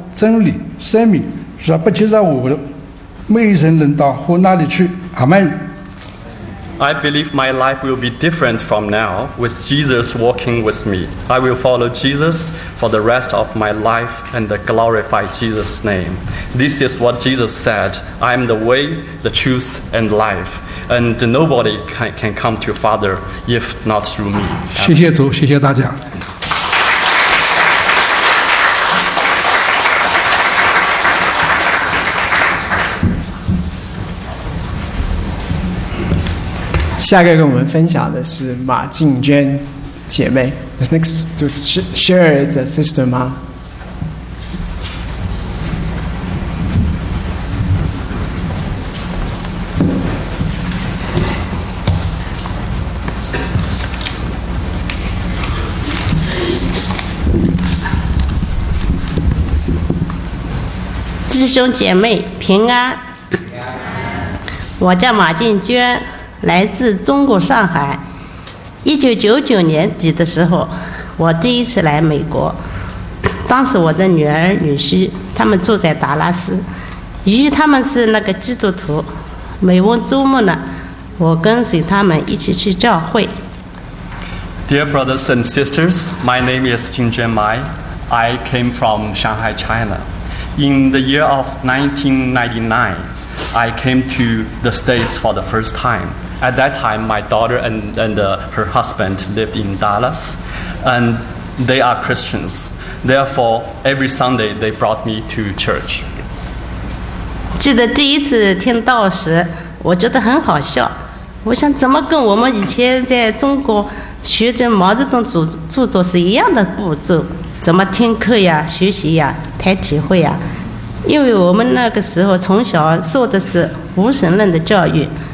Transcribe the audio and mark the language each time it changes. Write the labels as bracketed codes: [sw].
[zh] 真理生命，若不接受我，没有人能到我那里去。阿们。 [en] I believe my life will be different from now with Jesus walking with me. I will follow Jesus for the rest of my life and glorify Jesus' name. This is what Jesus said. I am the way, the truth, and life. And nobody can come to Father if not through me. [zh] 谢谢主，谢谢大家。下一个跟我们分享的是马静娟姐妹。 [en] The next to share is a sister, Ma. Sisters, [zh] 弟兄姐妹平安。我叫马静娟。来自中国上海。 1999年底的时候，我第一次来美国。当时我的女儿、女婿，他们住在达拉斯。由于他们是那个基督徒，每逢周末呢，我跟随他们一起去教会。 [en] Dear brothers and sisters, my name is Jingjun Mai. I came from Shanghai, China. In the year of 1999, I came to the States for the first time. At that time, my daughter and her husband lived in Dallas, and they are Christians. Therefore, every Sunday, they brought me to church. [zh] 记得第一次听到时，我觉得很好笑。我想怎么跟我们以前在中国学着毛泽东著作是一样的步骤？怎么听课呀、学习呀、谈体会呀？因为我们那个时候从小受的是无神论的教育。